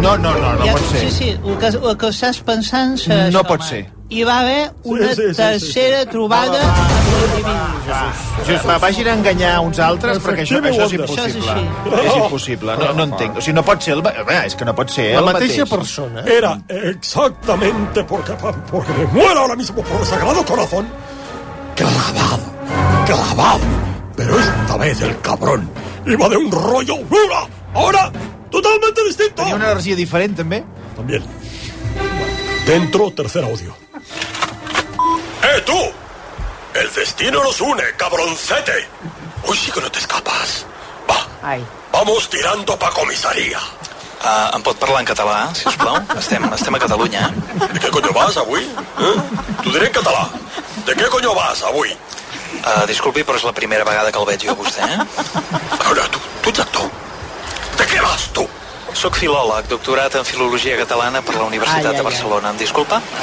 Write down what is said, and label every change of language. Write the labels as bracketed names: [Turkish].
[Catalan] No pot ser. Sí, el que estàs pensant... No pot ser. Hi va haver una tercera trobada... Va, vagin a enganyar uns altres perquè això és impossible. És impossible, no entenc. O sigui, no pot ser, és que no pot ser. La mateixa persona. [Spanish] Era exactamente porque me muero ahora mismo por el sagrado corazón. Clavado. Pero esta vez el cabrón iba de un rollo duro. Ahora, totalmente distinto. Tenía una energía diferente, ¿eh? También. Dentro, tercer audio. ¡Tú! El destino nos une, cabroncete. Hoy sí que no te escapas. Va, vamos tirando pa comisaría. [Catalan] Em pot parlar en català, sisplau? Estem a Catalunya. [Spanish] ¿De qué coño vas, avui? [Catalan] T'ho diré en català. [Spanish] ¿De qué coño vas, avui? [Catalan] Disculpi, però és la primera vegada que el veig jo, vostè. A veure, tu ets actor. De què vas, tu? Soc filòleg, doctorat en filologia catalana per la Universitat de Barcelona. Em disculpa?